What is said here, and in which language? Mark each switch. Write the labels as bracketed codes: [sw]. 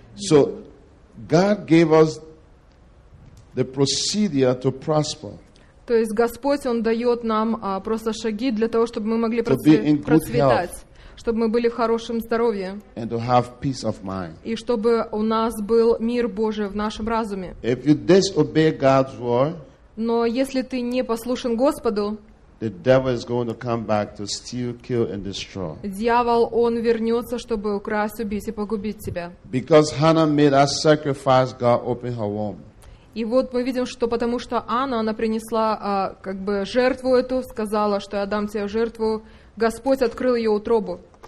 [en] So, God gave us the procedure to prosper. [ru] То есть Господь, Он дает нам просто шаги для того, чтобы мы могли процветать. Чтобы мы были в хорошем здоровье. [en] And to have peace of mind. [ru] И чтобы у нас был мир Божий в нашем разуме. [en] If you disobey God's word, [ru] но если ты не послушен Господу, дьявол, он вернется, чтобы украсть, убить и погубить тебя. [en] Because Hannah made a sacrifice, God opened her womb. [ru] И вот мы видим, что потому что Анна, она принесла как бы жертву эту, сказала, что я дам тебе жертву, Господь открыл ее утробу.